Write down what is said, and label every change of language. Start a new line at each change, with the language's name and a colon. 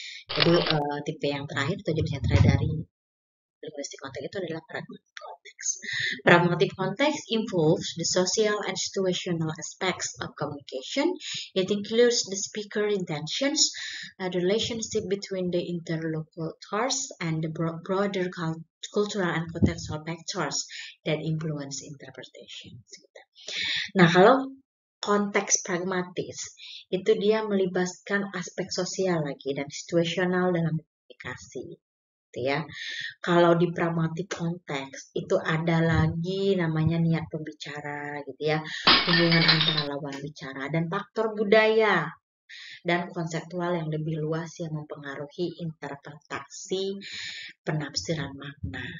Indonesian: Jadi tipe yang terakhir atau jenis yang terakhir dari linguistic context itu adalah pragmatic context.
English: Pragmatic context involves the social and situational aspects of communication. It includes the speaker intentions, the relationship between the interlocutors, and the broader cultural and contextual factors that influence interpretation.
Indonesian: Nah, kalau konteks pragmatis itu dia melibatkan aspek sosial lagi dan situasional dalam komunikasi. Gitu ya. Kalau di pragmatic context itu ada lagi namanya niat pembicara gitu ya, hubungan antara lawan bicara dan faktor budaya dan konseptual yang lebih luas yang mempengaruhi interpretasi penafsiran makna.